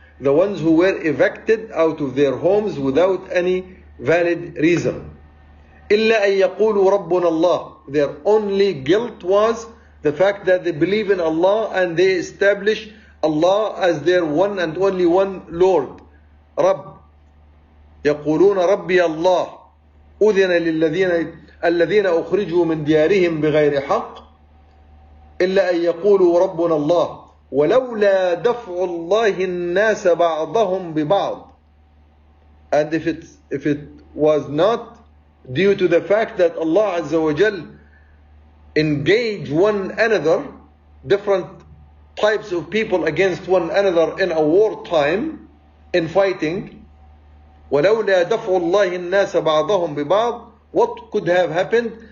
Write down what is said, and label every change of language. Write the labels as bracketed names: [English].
[English] The ones who were evicted out of their homes without any valid reason. [Arabic] إِلَّا أَن يَقُولُوا رَبُّنَا اللَّهِ. [English] Their only guilt was the fact that they believe in Allah and they establish Allah as their one and only one Lord, Rabb. [Arabic] يقولون ربي الله أذن للذين الذين أخرجوا من ديارهم بغير حق إلا أن يقولوا ربنا الله ولولا دفع الله الناس بعضهم ببعض. [English] And if it was not due to the fact that Allah Azza wa Jal engage one another, different types of people against one another in a war time, in fighting, [Arabic] وَلَوْلَا دَفْعُ اللَّهِ النَّاسَ بَعْضَهُمْ بِبَعْضٍ, [English] what could have happened?